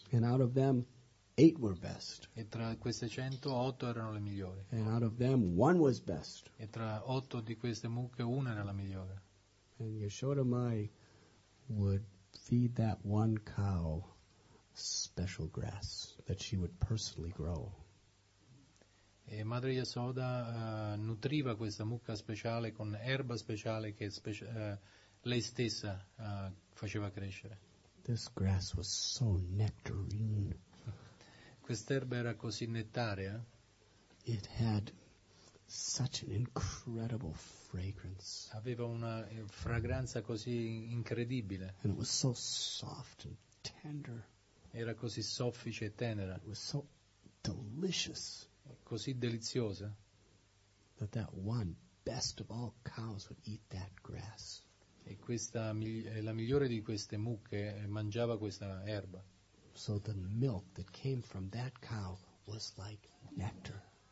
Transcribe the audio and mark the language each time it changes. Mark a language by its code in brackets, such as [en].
[en] And out of them, 8 were best. [it] E tra queste 100, 8 erano le migliori. [en] And out of them, 1 was best. [it] E tra 8 di queste mucche, 1 era la migliore. [en] And Yashoda Mai would feed that one cow special grass that she would personally grow. [it] E Madre Yasoda nutriva questa mucca speciale con erba speciale che lei stessa faceva crescere. [en] This grass was so nectarine. [it] Quest'erba era così nettaria. [en] It had such an incredible fragrance. [it] Aveva una fragranza così incredibile. [en] And it was so soft and tender. [it] Era così soffice e tenera. [en] It was so delicious. [it] Così deliziosa. [en] That one best of all cows would eat that grass. [it] E questa la migliore di queste mucche mangiava questa erba. [en] So the milk that came from that cow was like nectar.